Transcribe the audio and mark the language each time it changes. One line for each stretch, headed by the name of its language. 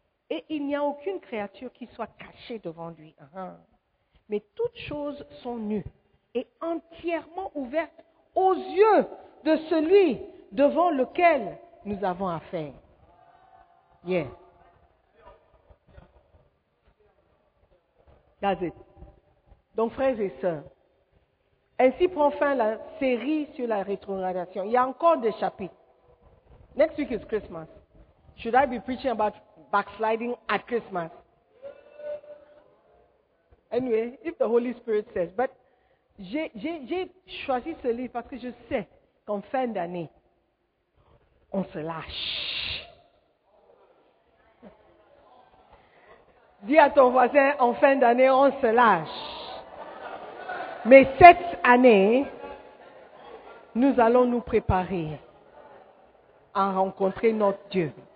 French: Et il n'y a aucune créature qui soit cachée devant lui. Mais toutes choses sont nues et entièrement ouvertes aux yeux de celui devant lequel nous avons affaire. Yeah.
English: That's it.
French: Donc, frères et sœurs, ainsi prend fin la série sur la rétrogradation. Il y a encore des chapitres.
English: Next week is Christmas. Should I be preaching about backsliding at Christmas? Anyway, if the Holy Spirit says.
French: But j'ai choisi ce livre parce que je sais qu'en fin d'année, on se lâche. Dis à ton voisin, en fin d'année, on se lâche. Mais cette année, nous allons nous préparer à rencontrer notre Dieu.